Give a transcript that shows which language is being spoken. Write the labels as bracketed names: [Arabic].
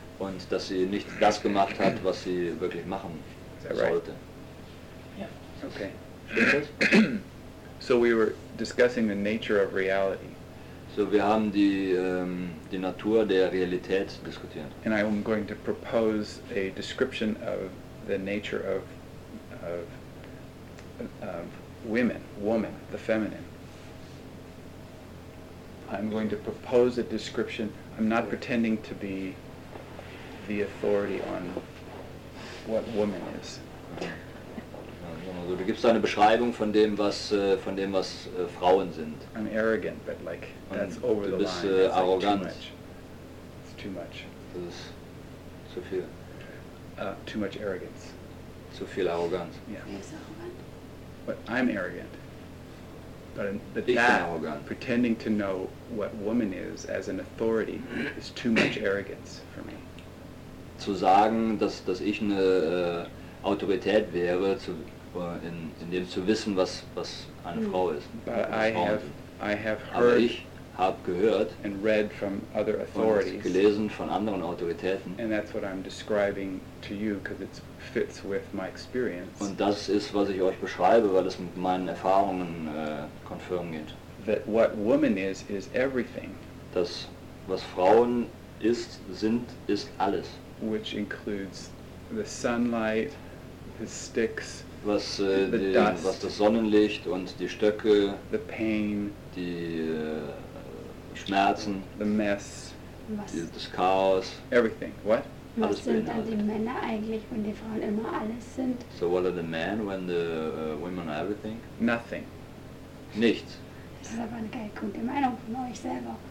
[German] Und dass sie nicht das gemacht hat, was sie wirklich machen sollte. [English] Right? Yeah. Okay. So we were discussing the nature of reality. [German] So wir haben die die Natur der Realität diskutiert. [English] And I am going to propose a description of the nature of women, woman, the feminine. I'm going to propose a description. I'm not pretending to be the authority on what woman is. [German] Also, du gibst eine Beschreibung von dem, was Frauen sind. [English] I'm arrogant, but like that's over the line. [German] Du bist arrogant. [English] Like it's too much. [German] Das ist zu viel. [English] Too much arrogance. [German] Zu viel Arroganz. [English] Yeah. But I'm arrogant. But the task, pretending to know what woman is as an authority, is too much arrogance for me. [German] Zu sagen, dass ich eine Autorität wäre, in dem zu wissen, was eine Frau ist. [English] But I have heard. [German] Aber ich habe gehört [English] and read from other authorities, [German] und gelesen von anderen Autoritäten. [English] And that's what I'm describing to you, because it fits with my experience. [German] Und das ist, was ich euch beschreibe, weil es mit meinen Erfahrungen konfirmiert geht. [English] That what woman is everything. [German] Das, was Frauen ist, sind, ist alles. [English] Which includes the sunlight, the sticks, [German] was, [English] the [German] den, [English] dust, [German] was das Sonnenlicht und die Stöcke, [English] the pain, [German] die Schmerzen, [English] the mess, [German] das Chaos, [English] everything. What? [German] Was sind denn die Männer eigentlich, wenn die Frauen immer alles sind? [English] So what are the men when the women are everything? Nothing. [German] Nichts. Das ist aber eine geile gute Meinung von euch selber.